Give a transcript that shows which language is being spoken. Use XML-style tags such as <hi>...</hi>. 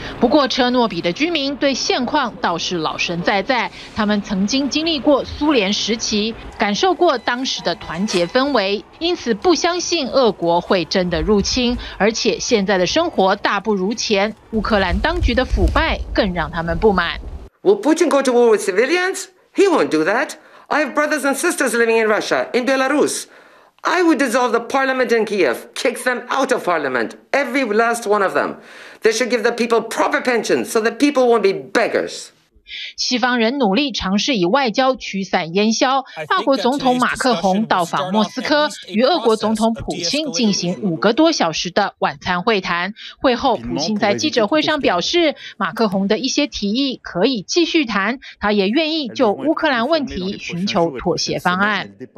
<zh>不过车诺比的居民对现况倒是老神在在，他们曾经经历过苏联时期，感受过当时的团结氛围，因此不相信俄国会真的入侵，而且现在的生活大不如前，乌克兰当局的腐败更让他们不满。</zh> <en>Will Putin go to war with civilians? He won't do that. I have brothers and sisters living in Russia, in Belarus. I would dissolve the parliament in Kiev, kick them out of parliament, every last one of them. They should give the people proper pensions so that people won't be beggars.</en> <zh>西方人努力尝试以外交驱散烟消，法国总统马克宏到访莫斯科，与俄国总统普京进行5个多小时的晚餐会谈。会后普京在记者会上表示，马克宏的一些提议可以继续谈，他也愿意就乌克兰问题寻求妥协方案。</zh>